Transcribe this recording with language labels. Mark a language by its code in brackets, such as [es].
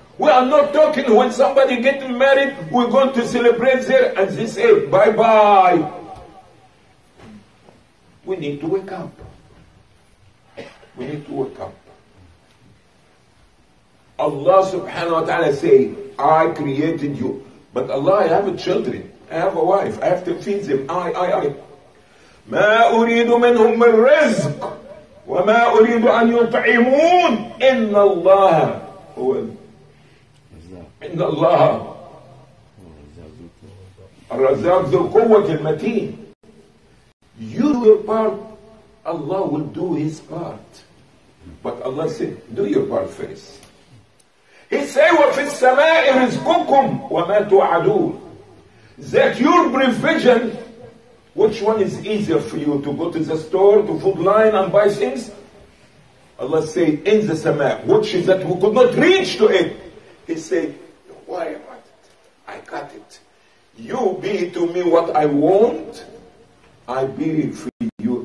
[en] We are not talking when somebody getting married, we're going to celebrate there and they say, bye-bye. We need to wake up. We need to wake up. Allah subhanahu wa ta'ala say, I created you. But Allah, I have children. I have a wife. I have to feed them. I. [ar] ما أريد منهم من رزق وما أريد أن يطعمون إن الله هو إن الله الرزاق ذو القوة المتين. [en] You do your part, Allah will do his part. But Allah said, do your part first. He said, [ar] وَفِي السَّمَاءِ رِزْقُكُمْ وَمَا تُوَعَدُونَ. [en] That your provision, which one is easier for you, to go to the store, to food line and buy things? Allah said, in the sama, which is that we could not reach to it. He said, don't worry about it. I got it. You be to me what I want, I be for you.